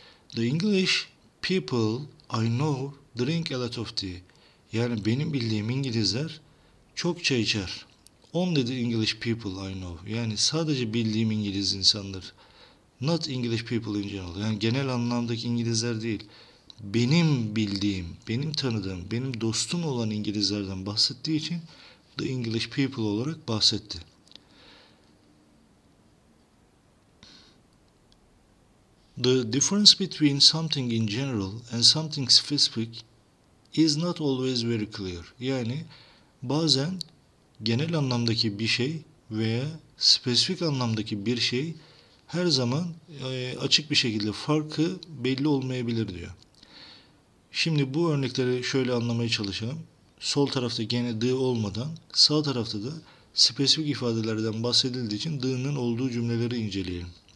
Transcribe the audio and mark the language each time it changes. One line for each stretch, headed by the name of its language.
English: The English people I know drink a lot of tea.
Turkish: Yani benim bildiğim İngilizler çok çay içer.
English: Only the English people I know.
Turkish: Yani sadece bildiğim İngiliz insanlar.
English: Not English people in general.
Turkish: Yani genel anlamdaki İngilizler değil. Benim bildiğim, benim tanıdığım, benim dostum olan İngilizlerden bahsettiği için
English: the English people
Turkish: olarak bahsetti.
English: The difference between something in general and something specific is not always very clear.
Turkish: Yani bazen genel anlamdaki bir şey veya spesifik anlamdaki bir şey her zaman açık bir şekilde farkı belli olmayabilir diyor. Şimdi bu örnekleri şöyle anlamaya çalışalım. Sol tarafta gene the olmadan, sağ tarafta da spesifik ifadelerden bahsedildiği için the'nın olduğu cümleleri inceleyelim.